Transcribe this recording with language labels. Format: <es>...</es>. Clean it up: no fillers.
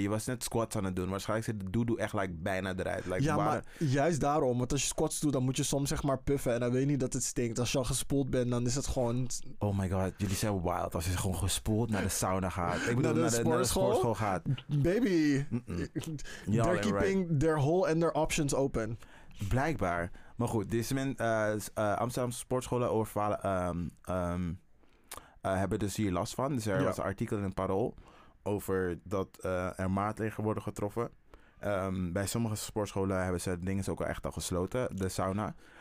<nl>Je was net squats aan het doen. Waarschijnlijk zit de doodoo echt like bijna eruit.</nl> <en>Like,</en> <nl>ja, waar... maar juist daarom. Want als je squats doet, dan moet je soms zeg maar puffen. En dan weet je niet dat het stinkt. Als je al gespoeld bent, dan is het gewoon...</nl> <en>Oh my god,</en> <nl>jullie zijn wild. Als je gewoon gespoeld naar de sauna gaat. Ik bedoel, naar de sportschool gaat. Baby. Mm-mm.</nl> <en>They're keeping their hole and their options open.</en> <nl>Blijkbaar. Maar goed, deze Amsterdamse sportscholen overvallen... hebben dus hier last van. Dus was een artikel in het Parool over dat er maatregelen worden getroffen. Bij sommige sportscholen hebben ze dingen ook al echt al gesloten, de sauna.</nl>